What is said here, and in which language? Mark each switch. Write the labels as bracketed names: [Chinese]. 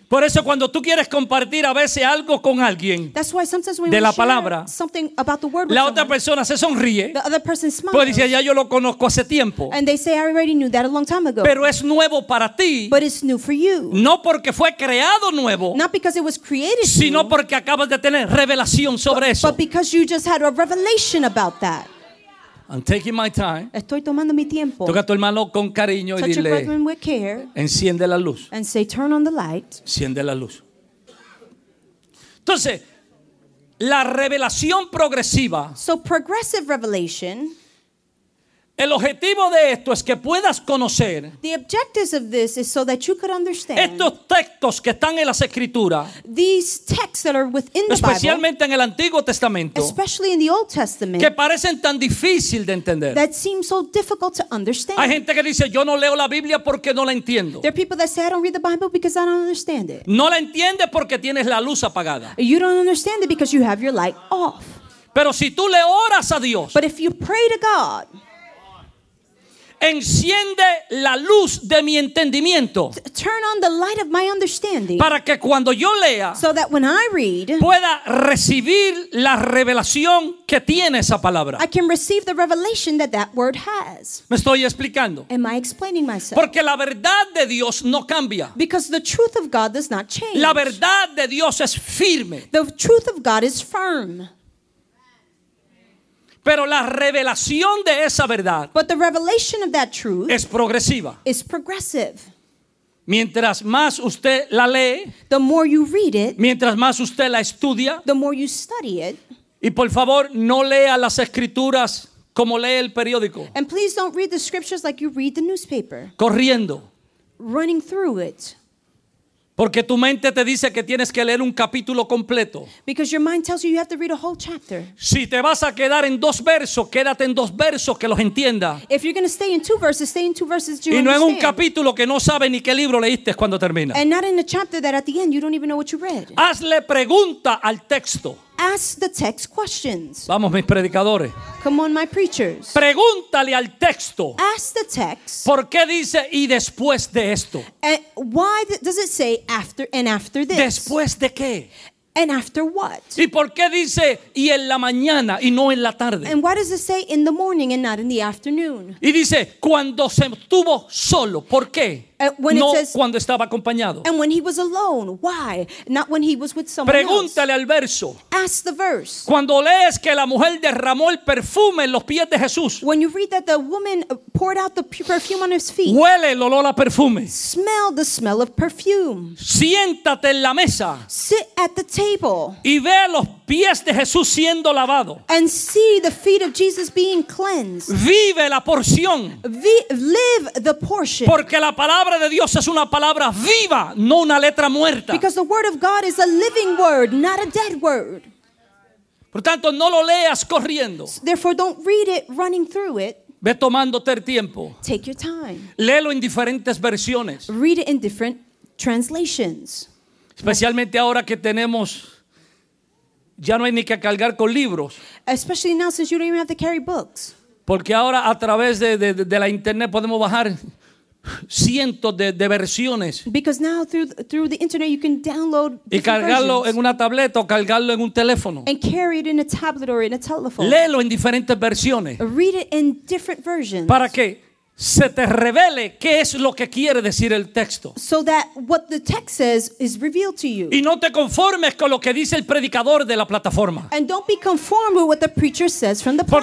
[Spanish] Por eso cuando tú quieres compartir a veces algo con alguien de la palabra, [English] something about the word [Spanish] la otra persona se sonríe, [English] the other person smiles, [Spanish] pues dice, ya yo lo conozco hace tiempo, [English] and they say, I already knew that a long time ago. [Spanish] Pero es nuevo para ti, [English] but it's new for you. [Spanish] No porque fue creado nuevo, [English] not because it was created, [Spanish] sino porque acabas de tener revelación sobre [English] but, [Spanish] eso, [English] but because you just had a revelation about that. I'm taking my time. [Spanish] Estoy tomando mi tiempo. Toca a tu hermano con cariño y dile, enciende la luz. [English] And say, turn on the light. [Spanish] Enciende la luz. Entonces, la revelación progresiva. [English] So progressive revelation. [Spanish] El objetivo de esto es que puedas conocer. [English] The objectives of this is so that you could understand. [Spanish] Estos textos que están en las Escrituras. [English] These texts that are within the [Spanish] especialmente [English] Bible, [Spanish] en el Antiguo Testamento. [English] Especially in the Old Testament. [Spanish] Que parecen tan difícil de entender. [English] That seem so difficult to understand. [Spanish] Hay gente que dice, yo no leo la Biblia porque no la entiendo. [English] There are people that say, I don't read the Bible because I don't understand it. [Spanish] No la entiendes porque tienes la luz apagada. [English] You don't understand it because you have your light off. [Spanish] Pero si tú le oras a Dios. [English] But if you pray to God. [Spanish] Enciende la luz de mi entendimiento. [English] Turn on the light of my understanding. [Spanish] Para que cuando yo lea, [English] so that when I read, [Spanish] pueda recibir la revelación que tiene esa palabra. [English] I can receive the revelation that that word has. [Spanish] ¿Me estoy explicando? [English] Am I explaining myself? [Spanish] Porque la verdad de Dios no cambia. [English] Because the truth of God does not change. [Spanish] La verdad de Dios es firme. [English] The truth of God is firm. [Spanish] Pero la revelación de esa verdad, [English] but the revelation of that truth, [Spanish] es progresiva. [English] Is progressive. [Spanish] Mientras más usted la lee, [English] the more you read it, [Spanish] mientras más usted la estudia, [English] the more you study it. [Spanish] Y por favor, no lea las escrituras como lee el periódico. [English] And please don't read the scriptures like you read the newspaper. [Spanish] Corriendo. [English] Running through it. [Spanish] Porque tu mente te dice que tienes que leer un capítulo completo. [English] Because your mind tells you you have to read a whole chapter. [Spanish] Si te vas a quedar en dos versos, quédate en dos versos que los entienda. [English] If you're going to stay in two verses, stay in two verses that you [Spanish] y no [English] understand. [Spanish] En un capítulo que no sabes ni qué libro leíste cuando termina. [English] And not in a chapter that at the end you don't even know what you read. [Spanish] Hazle pregunta al texto. [English] Ask the text questions. [Spanish] Vamos, mis predicadores. [English] Come on, my preachers. [Spanish] Pregúntale al texto. [English] Ask the text. [Spanish] ¿Por qué dice y después de esto? [English] Why does it say after and after this? [Spanish] ¿Después de qué? [English] And after what? [Spanish] ¿Y por qué dice y en la mañana y no en la tarde? [English] And why does it say in the morning and not in the afternoon? [Spanish] Y dice cuando se estuvo solo, ¿por qué? [English] When [Spanish] no [English] it says, [Spanish] cuando estaba acompañado. [English] And when he was alone, why? Not when he was with someone. [Spanish] Pregúntale Pregúntale al verso. [English] Ask the verse. [Spanish] Cuando lees que la mujer derramó el perfume en los pies de Jesús. [English] When you read that the woman poured out the perfume on his feet. [Spanish] Huele el olor a perfume. [English] Smell the smell of perfume. [Spanish] Siéntate en la mesa. [English] Sit at the table. [Spanish] Y ve los pies de Jesús siendo lavado. [English] And see the feet of Jesus being cleansed. [Spanish] Vive la porción. [English] Live the portion. [Spanish] Porque la palabra de Dios es una palabra viva, no una letra muerta. [English] Because the word of God is a living word, not a dead word. [Spanish] Por tanto, no lo leas corriendo. [English] Therefore, don't read it running through it. [Spanish] Ve tomándote el tiempo. [English] Take your time. [Spanish] Léelo en diferentes versiones. [English] Read it in different translations. [Spanish] Especialmente ahora que tenemos ya no hay ni que cargar con libros. [English] Especially now since you don't even have to carry books. [Spanish] Porque ahora a través de la internet podemos bajar cientos de versiones. [English] Because now through the internet you can download [Spanish] y cargarlo en una tableta o cargarlo en un teléfono. [English] And carry it in a tablet or in a telephone. [Spanish] Léelo en diferentes versiones. [English] Read it in different versions. [Spanish] Para que se te revele qué es lo que quiere decir el texto. [English] So that what the text says is revealed to you. [Spanish] Y no te conformes con lo que dice el predicador de la plataforma. [English] And don't be conformed with what the preacher says from the platform.